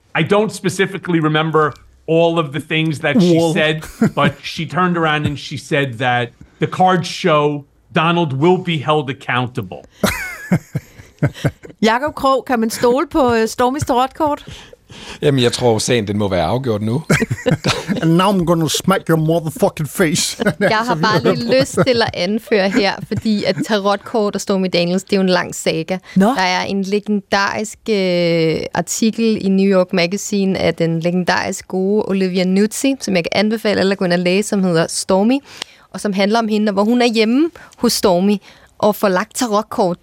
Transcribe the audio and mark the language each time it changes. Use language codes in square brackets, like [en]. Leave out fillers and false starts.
[en] I don't specifically remember all of the things that she said, but she turned around and she said that the cards show Donald will be held accountable. [da] Jakob Krog, kan man stole på Stormys tarotkort? Jamen, jeg tror, sagen den må være afgjort nu. [en] And now I'm gonna smack your motherfucking face. [da] Jeg har bare lidt lyst til at anføre her, fordi at tarotkort og Stormy Daniels, det er jo en lang saga. [en] No. [da] Der er en legendarisk artikel i New York Magazine af den legendarisk gode Olivia Nuzzi, som jeg kan anbefale alle at gå ind og læse, som hedder Stormy, og som handler om hende, hvor hun er hjemme hos Stormy og får lagt tarotkort.